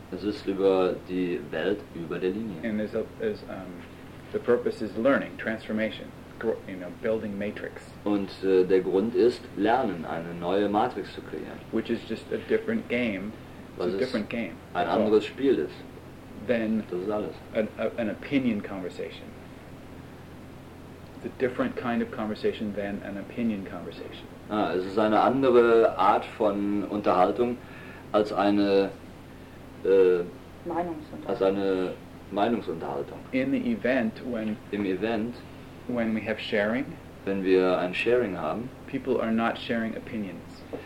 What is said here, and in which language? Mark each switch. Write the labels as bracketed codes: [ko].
[de] Es ist über die Welt über der Linie. [en] And there's the purpose is learning, transformation, you know, building matrix. [de] Und der Grund ist Lernen, eine neue Matrix zu kreieren. [en] Which is just a different game. It's a different game. [de] Ein anderes Spiel ist. [en] Then [de] das ist alles. [en] An opinion conversation. It's a different kind of conversation than an opinion conversation. [de] Ah, es ist eine andere Art von Unterhaltung als eine Meinungsunterhaltung. [en] In the event when we have sharing, [de] wenn wir ein Sharing haben, [en] people are not sharing opinions.